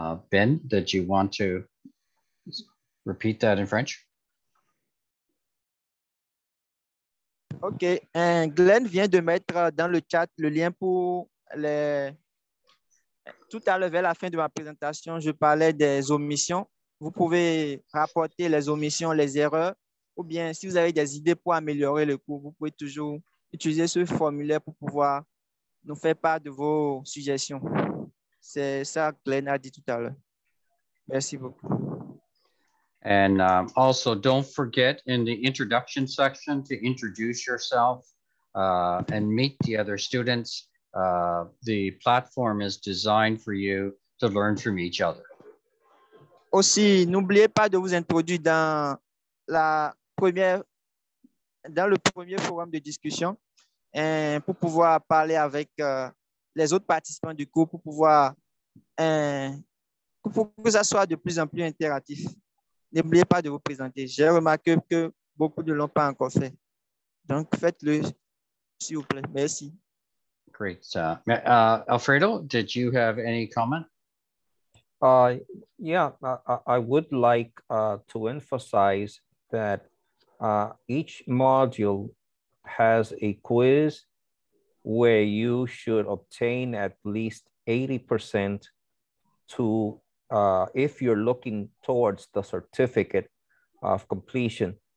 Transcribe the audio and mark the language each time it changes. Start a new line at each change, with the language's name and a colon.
English: Ben, did you want to repeat that in French?
French: OK, and Glenn vient de mettre dans le chat le lien pour les... Tout à l'heure, vers la fin de ma présentation, je parlais des omissions. Vous pouvez rapporter les omissions, les erreurs, ou bien si vous avez des idées pour améliorer le cours, vous pouvez toujours utiliser ce formulaire pour pouvoir nous faire part de vos suggestions. C'est ça que Glenn a dit tout à l'heure. Merci beaucoup.
English: And also, don't forget in the introduction section to introduce yourself and meet the other students. The platform is designed for you to learn from each other.
French: Aussi, n'oubliez pas de vous introduire dans la première, dans le premier forum de discussion pour pouvoir parler avec les autres participants du cours pour pouvoir pour que ça soit de plus en plus interactif. N'oubliez pas de vous présenter. J'ai remarqué que beaucoup ne l'ont pas encore fait. Donc, faites-le, s'il vous plaît. Merci.
English: Great. Alfredo, did you have any comment? I would like to emphasize that each module has a quiz where you should obtain at least 80% to if you're looking towards the certificate of completion.